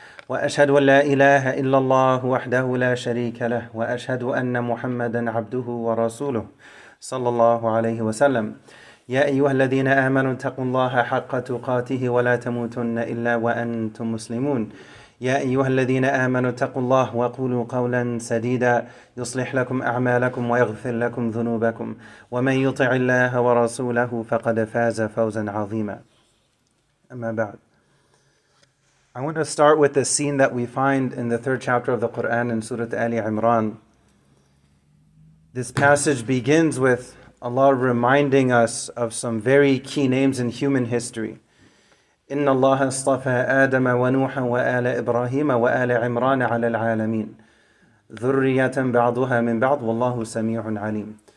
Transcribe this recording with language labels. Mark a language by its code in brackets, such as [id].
[ar] وأشهد أن لا إله إلا الله وحده لا شريك له وأشهد أن محمدا عبده ورسوله صلى الله عليه وسلم يا أيها الذين آمنوا اتقوا الله حق تقاته ولا تموتن إلا وأنتم مسلمون يا أيها الذين آمنوا اتقوا الله وقولوا قولا سديدا يصلح لكم أعمالكم ويغفر لكم ذنوبكم ومن يطع الله ورسوله فقد فاز فوزا عظيما أما بعد. [en] I want to start with the scene that we find in the third chapter of the Quran in Surah Ali Imran. This passage begins with Allah reminding us of some very key names in human history. [ar] إن الله اصطفى آدم ونوحا وآل إبراهيم وآل عمران على العالمين ذرية بعضها من بعض والله سميع عليم.